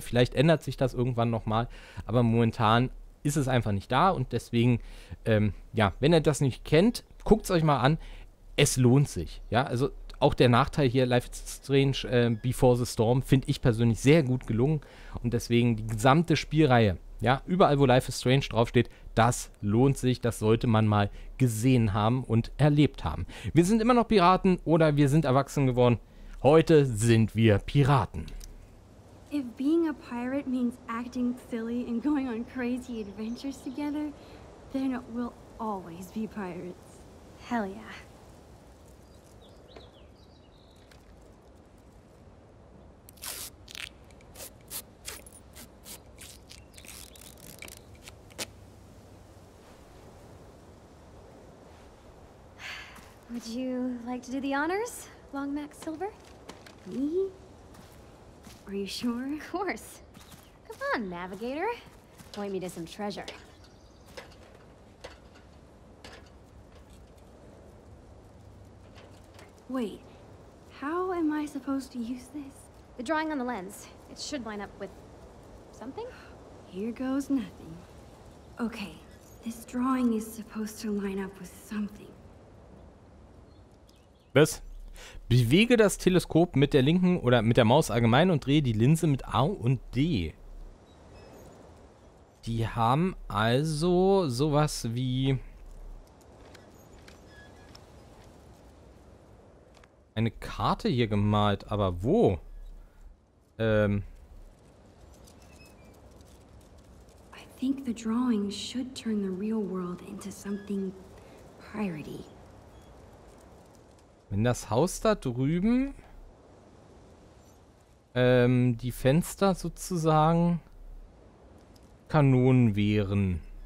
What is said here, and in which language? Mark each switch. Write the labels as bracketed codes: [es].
[de] Vielleicht ändert sich das irgendwann nochmal. Aber momentan ist es einfach nicht da und deswegen, ja, wenn ihr das nicht kennt, guckt es euch mal an, es lohnt sich, ja, also auch der Nachteil hier, Life is Strange Before the Storm, finde ich persönlich sehr gut gelungen und deswegen die gesamte Spielreihe, ja, überall, wo Life is Strange draufsteht, das lohnt sich, das sollte man mal gesehen haben und erlebt haben. Wir sind immer noch Piraten oder wir sind erwachsen geworden, heute sind wir Piraten. [en] If being a pirate means acting silly and going on crazy adventures together, then we'll always be pirates. Hell yeah. Would you like to do the honors, Long Max Silver? Me? Are you sure? Of course. Come on, Navigator. Point me to some treasure. Wait. How am I supposed to use this? The drawing on the lens. It should line up with something? Here goes nothing. Okay. This drawing is supposed to line up with something. [de] Was? Bewege das Teleskop mit der linken oder mit der Maus allgemein und drehe die Linse mit A und D. Die haben also sowas wie... eine Karte hier gemalt, aber wo? [en] I think the drawing should turn the real world into something piratey. [de] Wenn das Haus da drüben die Fenster sozusagen Kanonen wären.